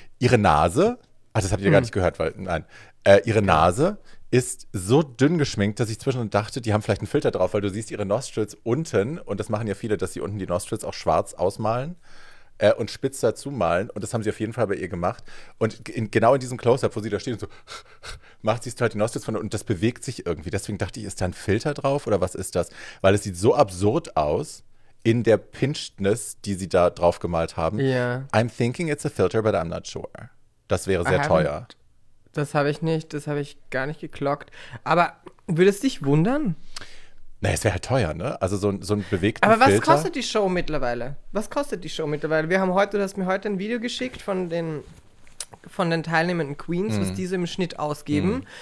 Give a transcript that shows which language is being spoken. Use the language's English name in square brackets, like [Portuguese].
[German] Ihre Nase, ach, das habt ihr gar nicht gehört, weil nein. Ihre Nase ist so dünn geschminkt, dass ich zwischendurch dachte, die haben vielleicht einen Filter drauf, weil du siehst ihre Nostrils unten, und das machen ja viele, dass sie unten die Nostrils auch schwarz ausmalen und spitz dazu malen. Und das haben sie auf jeden Fall bei ihr gemacht. Und genau in diesem Close-Up, wo sie da steht und so, macht sie halt die Nostrils von, und das bewegt sich irgendwie. Deswegen dachte ich, ist da ein Filter drauf oder was ist das? Weil es sieht so absurd aus in der Pinchedness, die sie da drauf gemalt haben. [English] Yeah. I'm thinking it's a filter, but I'm not sure. [German] Das wäre sehr teuer. Das habe ich nicht, das habe ich gar nicht geklockt. Aber würde es dich wundern? Naja, es wäre halt teuer, ne? Also so ein bewegten Filter. Aber was kostet die Show mittlerweile? Was kostet die Show mittlerweile? Du hast mir heute ein Video geschickt von den teilnehmenden Queens, was diese im Schnitt ausgeben.